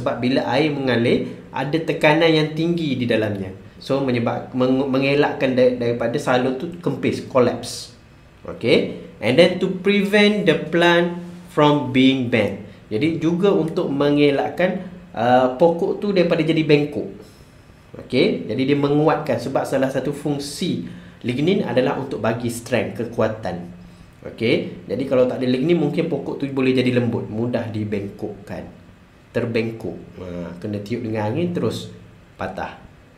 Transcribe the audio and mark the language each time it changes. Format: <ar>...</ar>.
<ms>Sebab bila air mengalir, ada tekanan yang tinggi di dalamnya. So, mengelakkan daripada salur tu kempis, collapse.</ms> <en>Okay, and then to prevent the plant from being bent.</en> <ms>Jadi, juga untuk mengelakkan pokok tu daripada jadi bengkok. Okay, jadi dia menguatkan sebab salah satu fungsi lignin adalah untuk bagi strength, kekuatan. Okay, jadi kalau tak ada lignin, mungkin pokok tu boleh jadi lembut, mudah dibengkokkan, terbengkok, kena tiup dengan angin terus patah.</ms>